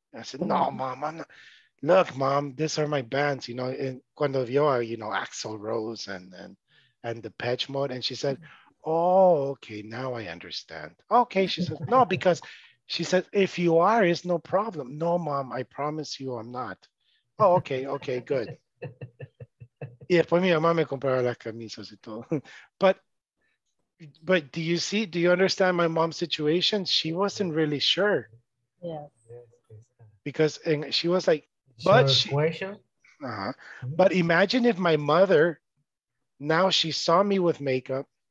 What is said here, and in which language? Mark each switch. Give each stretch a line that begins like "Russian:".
English: I said, no, mom, I'm not. Look, mom, these are my bands, you know, and
Spanish: cuando vio,
English: you know, Axl Rose and the Depeche Mode. And she said, Oh, okay, now I understand. Okay, she says, no, because she says, if you are, it's no problem. No, mom, I promise you I'm not. Oh, okay, okay, good.
Spanish: Y después mi mamá me compraba las camisas y todo.
English: But do you see, do you understand my mom's situation? She wasn't really sure. Yeah. Because and she was like, but sure, she, question. Uh-huh. But imagine if my mother, now she saw me with makeup.